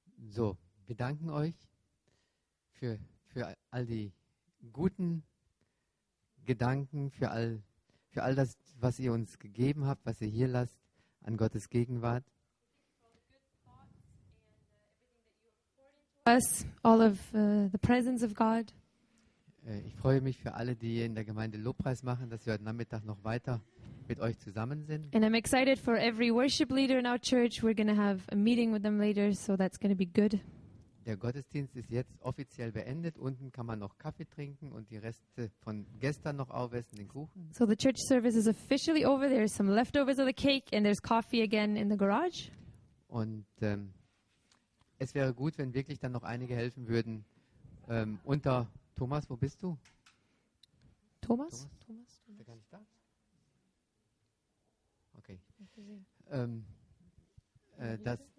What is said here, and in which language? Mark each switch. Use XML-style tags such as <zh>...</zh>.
<de>So, wir danken euch für all die guten Gedanken, für all das, was ihr uns gegeben habt, was ihr hier lasst an Gottes Gegenwart.</de> <en>Us, all of the presence of God.</en> <de>Ich freue mich für alle, die in der Gemeinde Lobpreis machen, dass wir heute Nachmittag noch weiter mit euch zusammen sind.</de> <en>And I'm excited for every worship leader in our church. We're going to have a meeting with them later, so that's going to be good.</en> <de>Der Gottesdienst ist jetzt offiziell beendet. Unten kann man noch Kaffee trinken und die Reste von gestern noch aufessen, den Kuchen.</de> <en>So the church service is officially over. There's some leftovers of the cake and there's coffee again in the garage.</en> <de>Und es wäre gut, wenn wirklich dann noch einige helfen würden. Unter Thomas, wo bist du? Thomas? Ist der gar nicht da? Okay.</de>